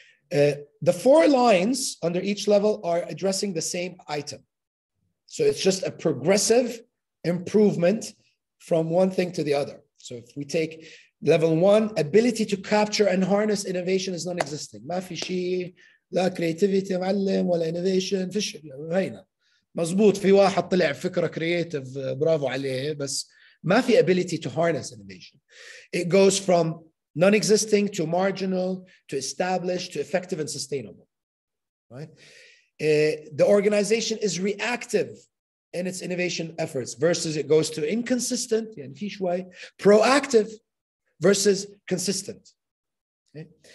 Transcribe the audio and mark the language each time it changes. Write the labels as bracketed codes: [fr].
[en] The four lines under each level are addressing the same item. So it's just a progressive improvement from one thing to the other. So if we take level one, ability to capture and harness innovation is non-existent. [ar] ما في شيء لا creativity معلم ولا innovation فيش هينا مزبوط في واحد طلع فكرة creative برافو عليه بس ما في [en] ability to harness innovation. It goes from non-existing to marginal to established to effective and sustainable. Right? The organization is reactive in its innovation efforts versus it goes to inconsistent, [ar] يعني في شوي, [en] proactive versus consistent. Okay?